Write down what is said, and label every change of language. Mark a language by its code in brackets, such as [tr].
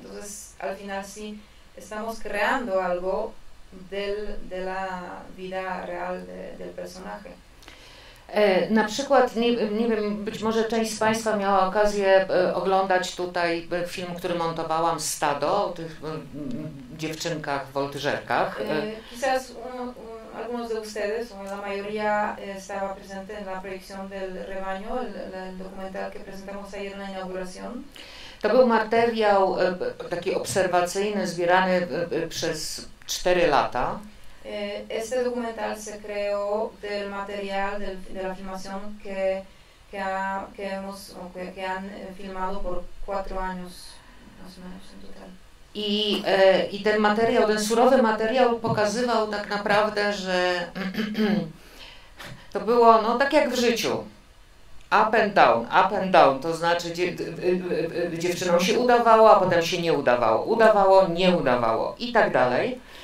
[es] Entonces, al final sí, estamos creando algo de la vida real del personaje. [pl] Na przykład, nie wiem, być może część z Państwa miała okazję oglądać tutaj film, który montowałam, Stado, o tych dziewczynkach, woltyżerkach. [es] Quizás algunos de ustedes, o la mayoría, estaba presente en la proyección del rebaño, el documental que presentamos ayer en la inauguración. [pl] To był materiał taki obserwacyjny, zbierany przez 4 lata. [es] Este documental se creó del material de la filmación que han filmado por 4 años, más o menos, en total. [pl] I ten materiał, ten surowy materiał pokazywał tak naprawdę, że to było no, tak jak w życiu. [en] Up and down, [pl] to znaczy dziewczynom się udawało, a potem się nie udawało. Udawało, nie udawało i tak dalej.